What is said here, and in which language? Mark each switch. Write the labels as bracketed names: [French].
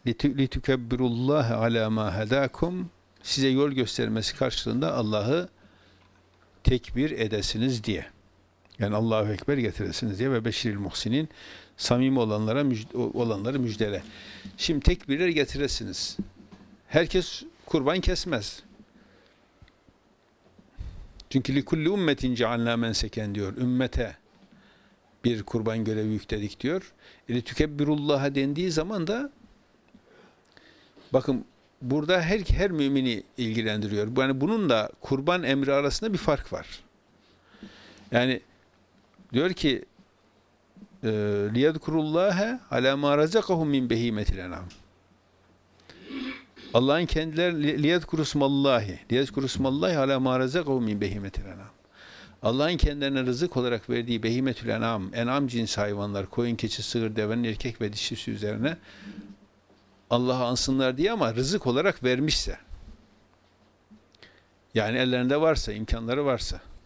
[Arabic] لِتُكَبِّرُ اللّٰهِ عَلٰى مَا هَدَاكُمْ [Turkish] Size yol göstermesi karşılığında Allah'ı tekbir edesiniz diye. Yani Allahu Ekber getiresiniz diye ve beşiril muhsinin samimi olanlara olanları müjdele. Şimdi tekbirler getiresiniz. Herkes kurban kesmez. Çünkü [Arabic] لِكُلِّ اُمَّتِنْ جَعَلْنَا مَنْسَكَنْ [Turkish] diyor. Ümmete bir kurban görevi yükledik diyor. [Arabic] لِتُكَبِّرُ اللّٰهَ [Turkish] dendiği zaman da bakın burada her mümini ilgilendiriyor. Yani bunun da kurban emri arasında bir fark var. Yani diyor ki [Arabic] لِيَذْكُرُ اللّٰهَ عَلَى مَا رَزَقَهُمْ مِنْ بَه۪يمَةِ الْاَنْعَامِ [Turkish] Allah'ın kendilerine [Arabic] لِيَذْكُرُ اسْمَ اللّٰهِ لِيَذْكُرُ اسْمَ اللّٰهِ عَلَى مَا رَزَقَهُمْ مِنْ بَه۪يمَةِ الْاَنْعَامِ [Turkish] Allah'ın kendilerine rızık olarak verdiği behimetül en'am, en'am cinsi hayvanlar, koyun, keçi, sığır, devenin erkek ve dişisi üzerine Allah'ı ansınlar diye ama rızık olarak vermişse, yani ellerinde varsa, imkanları varsa.